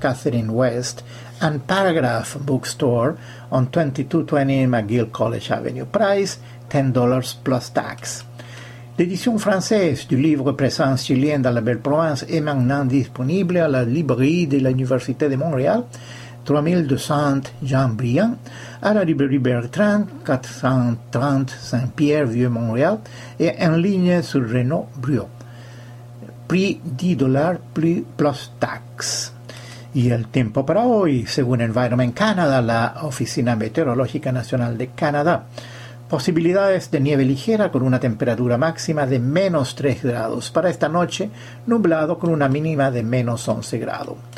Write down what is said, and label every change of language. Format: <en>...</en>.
<en>Catherine West, and Paragraph Bookstore on 2220 McGill College Avenue. Price $10 plus tax.</en> <fr>L'édition française du livre Présence chilienne dans la Belle Provence est maintenant disponible à la librairie de l'Université de Montréal, 3200 Jean Brion, à la librairie Bertrand, 430 Saint-Pierre-Vieux-Montréal, et en ligne sur Renaud Brion. Prix $10 plus taxes.</fr> <es>Y el tiempo para hoy, según Environment Canada, la Oficina Meteorológica Nacional de Canadá. Posibilidades de nieve ligera con una temperatura máxima de menos 3 grados. Para esta noche, nublado con una mínima de menos 11 grados.</es>